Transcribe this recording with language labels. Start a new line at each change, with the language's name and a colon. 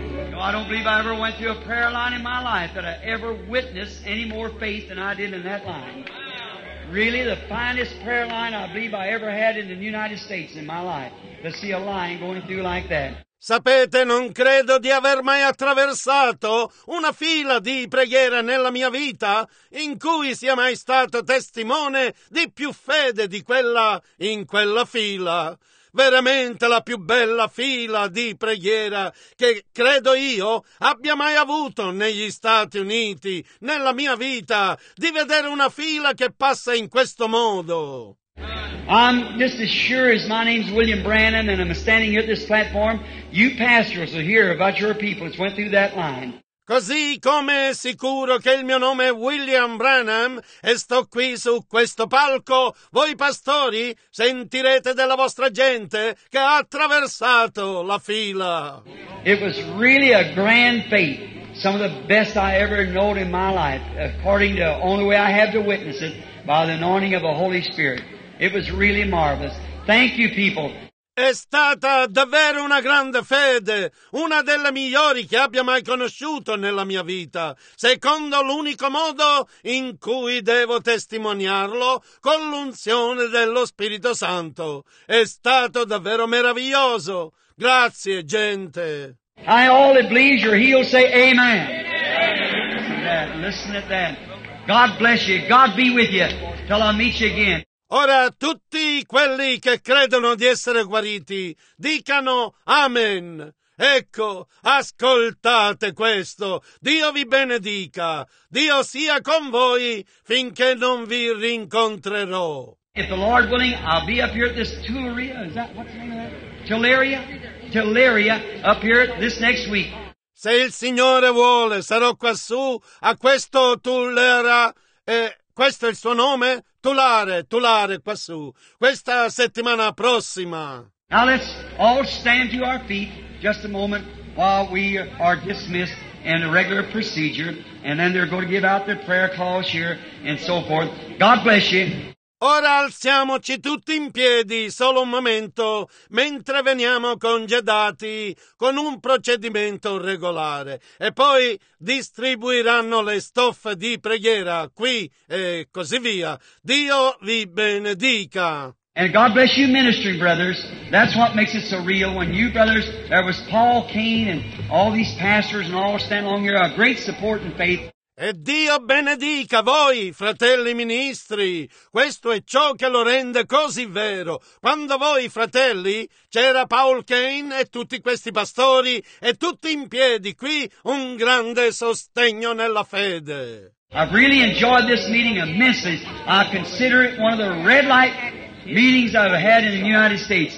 English: No, I don't believe I ever went through a prayer line in my life that I ever witnessed any more faith than I did in that line. Really, the finest prayer line I believe I ever had in the United States in my life, to see a line going through like that.
Italian: Sapete, non credo di aver mai attraversato una fila di preghiera nella mia vita in cui sia mai stato testimone di più fede di quella in quella fila. Veramente la più bella fila di preghiera che credo io abbia mai avuto negli Stati Uniti, nella mia vita, di vedere una fila che passa in questo modo.
English: I'm just as sure as my name's William Branham and I'm standing here at this platform, you pastors will hear about your people that went through that line.
Italian: Così come sicuro che il mio nome è William Branham e sto qui su questo palco, voi pastori sentirete della vostra gente che ha attraversato la fila.
English: It was really a grand faith, some of the best I ever known in my life, according to the only way I have to witness it, by the anointing of the Holy Spirit. It was really marvelous. Thank you, people.
Italian: È stata davvero una grande fede, una delle migliori che abbia mai conosciuto nella mia vita, secondo l'unico modo in cui devo testimoniarlo, con l'unzione dello Spirito Santo. È stato davvero meraviglioso. Grazie, gente.
English: I all that believes you're healed say amen. Listen to that. God bless you. God be with you till I meet you again.
Italian: Ora tutti quelli che credono di essere guariti, dicano Amen. Ecco, ascoltate questo. Dio vi benedica. Dio sia con voi finché non vi rincontrerò.
English: If the Lord willing, I'll be up here at this Tularia. Is that what's the name of that? Tularia, up here this next week.
Italian: Se il Signore vuole, sarò quassù a questo Tularia. Questo è il suo nome? Tulare, quassù. Questa settimana prossima.
English: Now let's all stand to our feet just a moment while we are dismissed in a regular procedure. And then they're going to give out their prayer calls here and so forth. God bless you.
Italian: Ora alziamoci tutti in piedi, solo un momento, mentre veniamo congedati con un procedimento regolare. E poi distribuiranno le stoffe di preghiera qui e così via. Dio vi benedica.
English: And God bless you ministry brothers. That's what makes it so real. When you brothers, there was Paul, Cain and all these pastors and all stand along here, a great support in faith.
Italian: E Dio benedica voi, fratelli ministri. Questo è ciò che lo rende così vero. Quando voi, fratelli, c'era Paul Kane e tutti questi pastori e tutti in piedi qui, un grande sostegno nella fede.
English: I've really enjoyed this meeting immensely. I consider it one of the red light meetings I've had in the United States.